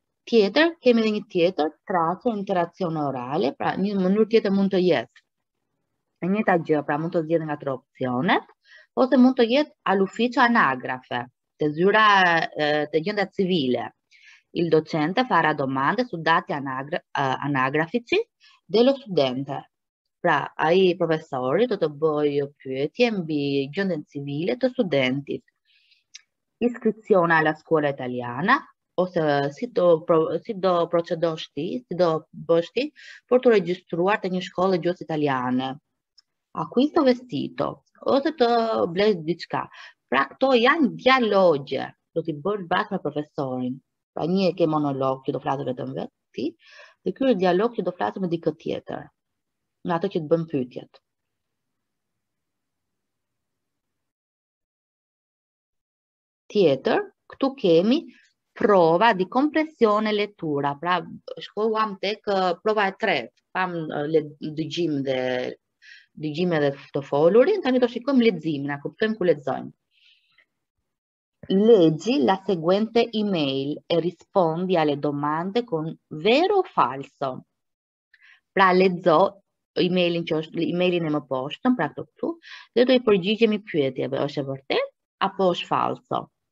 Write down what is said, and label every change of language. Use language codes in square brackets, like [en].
[sq] Tjetër, kemi edhe një tjetër, trace, interazione orale, pra një mënyrë tjetër mund të jetë. E njëjta gjë, pra mund të zgjedhësh nga tre opsionet, ose mund të jetë all'ufficio anagrafe, te zyra e te gjendja civile. [it] Il docente farà domande su dati anagrafici dello studente. [sq] Pra, ai professori do të bëj pyetje mbi gjendjen civile të studentit. Iscrizione alla scuola italiana, ose si do procedosh ti, si do bësh ti për të regjistruar te një shkollë gjuhës italiane. Acquisto vestito, ose të blesh diçka. Pra këto janë dialogje, do t'i bërë bashkë me profesorin, pra një e ke monolog që do flasë vetëm vetë ti, dhe ky është dialog që do flasë me dikë tjetër, me ato që të bën pyetjet. Tjetër, këtu kemi prova di compressione lettura, pra shkoam tek prova e tretë, pam dëgjim edhe të folurin, tani do shikojmë leximin, a kuptojmë ku lexojmë. [it] Leggi la seguente email e rispondi alle domande con vero o falso. [sq] Pra lezzo emailin që është emailin e më poshtëm, pra këtu këtu, dhe do i përgjigjemi pyetjeve, është e vërtet apo është falso?